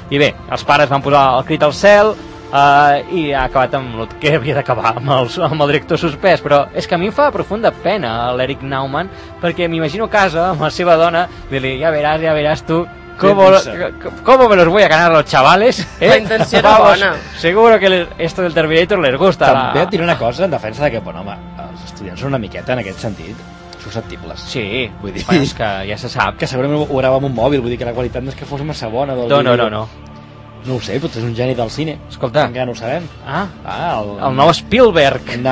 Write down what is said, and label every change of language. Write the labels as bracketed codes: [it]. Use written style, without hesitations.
[ca] I bé, els pares van posar el crit al cel i ha acabat amb el que havia d'acabar, amb el director suspès. Però és que a mi em fa profunda pena l'Eric Naumann, perquè m'imagino a casa amb la seva dona dir-li, ja veràs tu com [es] me los voy a ganar los chavales, [ca] La intenció era bona. [es] Seguro que esto del Terminator les gusta. [ca] També et diré una cosa en defensa d'aquest bon home. Els estudiants són una miqueta en aquest sentit susceptibles. Sí, vull dir, bueno, és que ja se sap. Que segurament ho grava amb un mòbil, vull dir que la qualitat no és que fos massa bona. No. No ho sé, potser és un geni del cine. Escolta. Encara no ho sabem. El nou Spielberg.